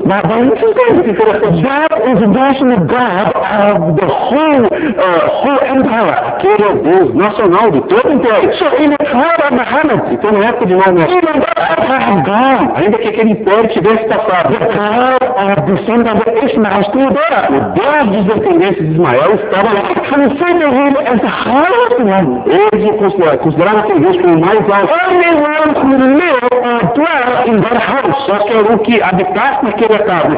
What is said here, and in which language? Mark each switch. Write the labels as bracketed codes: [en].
[en] That is the national god of the whole empire. [pt] Aquele é o Deus nacional de todo o império. [en] So in the time of Muhammad, [pt] então na época de Maomé, [en] even that empire, [pt] ainda que aquele império tivesse passado, [en] the god of descendants of Ishmael still there. [pt] O Deus dos descendentes de Ismael estava lá. [en] Consider him as the highest one. [pt] Eles o consideravam aquele Deus como o mais alto. [en] Only one who lived or dwelt in that house. [pt] Só que era o que habitasse naquele acaso.